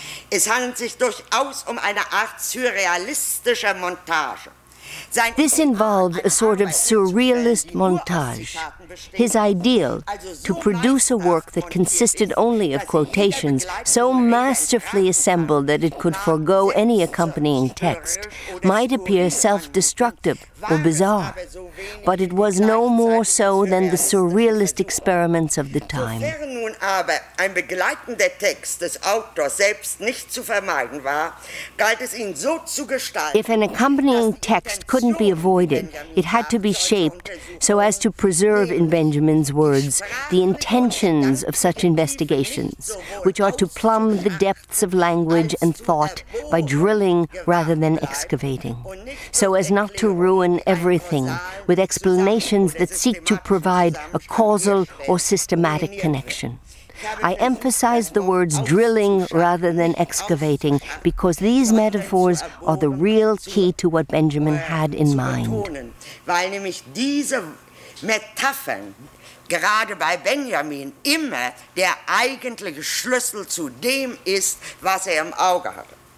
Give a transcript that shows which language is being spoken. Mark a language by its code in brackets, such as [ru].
[de] Es handelt sich durchaus um eine Art surrealistischer Montage. [en] This involved a sort of surrealist montage. His ideal, to produce a work that consisted only of quotations, so masterfully assembled that it could forego any accompanying text, might appear self-destructive or bizarre. But it was no more so than the surrealist experiments of the time. [de] Sofern nun aber ein begleitender Text des Autors selbst nicht zu vermeiden war, galt es ihn so zu gestalten. [en] If an accompanying text couldn't be avoided, it had to be shaped so as to preserve, in Benjamin's words, the intentions of such investigations, which are to plumb the depths of language and thought by drilling rather than excavating, so as not to ruin everything with explanations that seek to provide a causal or systematic connection. I emphasize the words drilling rather than excavating because these metaphors are the real key to what Benjamin had in mind. [de] Weil nämlich diese Metaphern gerade bei Benjamin immer der eigentliche Schlüssel zu dem ist, was im Auge hatte.